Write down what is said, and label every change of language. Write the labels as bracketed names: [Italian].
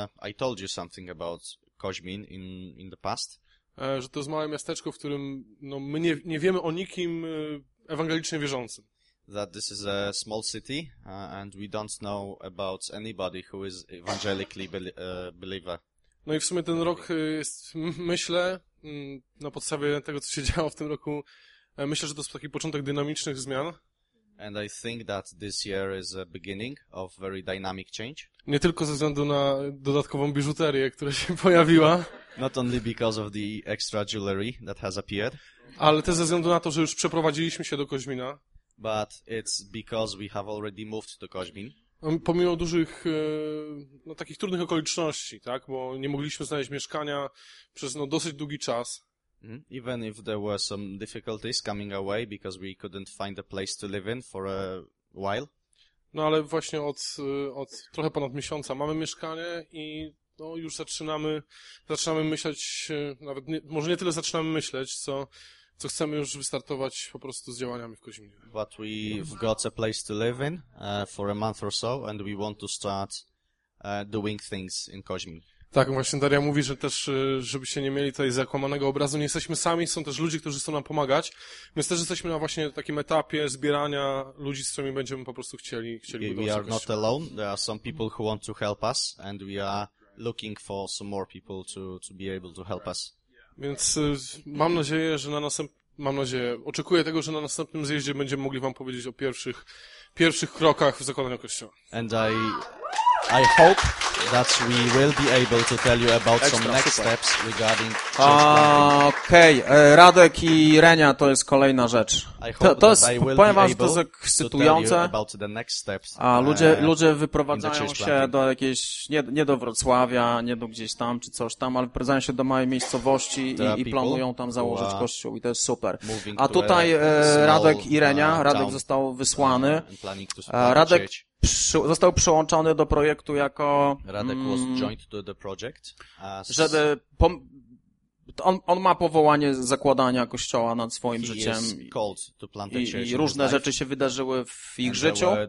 [English] I told you something about Koźmin in the past. [Polish] Że to jest małe miasteczko, w którym my nie wiemy o nikim ewangelicznie wierzącym. [English] That this is a small city and we don't know about anybody who is evangelically believer. [Polish] No i w sumie ten rok jest, myślę, na podstawie tego, co się działo w tym roku, myślę, że to jest taki początek dynamicznych zmian. [English] And I think that this year is a beginning of very dynamic change. [Polish] Nie tylko ze względu na dodatkową biżuterię, która się pojawiła. [English] Not only because of the extra jewelry that has appeared. [Polish] Ale też ze względu na to, że już przeprowadziliśmy się do Koźmina. [English] But it's because we have already moved to Koźmin. [Polish] Pomimo dużych, takich trudnych okoliczności, tak? Bo nie mogliśmy znaleźć mieszkania przez dosyć długi czas. [English] Even if there were some difficulties coming away because we couldn't find a place to live in for a while. [Polish] No ale właśnie od trochę ponad miesiąca mamy mieszkanie i no już zaczynamy myśleć, nawet nie, może nie tyle zaczynamy myśleć, co chcemy już wystartować po prostu z działaniami w Koźminie. [English] But we've got a place to live in for a month or so and we want to start doing things in Koźmin. [Polish] Tak, właśnie Daria mówi, że też, żebyście nie mieli tutaj zakłamanego obrazu, nie jesteśmy sami, są też ludzie, którzy chcą nam pomagać. My też jesteśmy na właśnie takim etapie zbierania ludzi, z którymi będziemy po prostu chcieli budować. [English] We are not alone, there are some people who want to help us and we are looking for some more people to be able to help us. [Polish] Więc mam nadzieję, że na następnym, mam nadzieję, oczekuję tego, że na następnym zjeździe będziemy mogli wam powiedzieć o pierwszych krokach w zakładaniu kościoła. [English] And I hope that we will be able to tell you about extra, some next super. Steps regarding church planting. Okej, okay. [Polish] Radek i Renia, to jest kolejna rzecz. To jest, powiem wam, to jest ekscytujące. A ludzie wyprowadzają się do jakiejś, nie do Wrocławia, nie do gdzieś tam, czy coś tam, ale wyprowadzają się do małej miejscowości i planują tam założyć kościół i to jest super. A tutaj Radek i Renia, Radek został wysłany. Radek został przyłączony do projektu jako... [English] Radek was joined to the project. [Polish] Żeby... On ma powołanie zakładania kościoła nad swoim życiem i różne rzeczy się wydarzyły w ich życiu.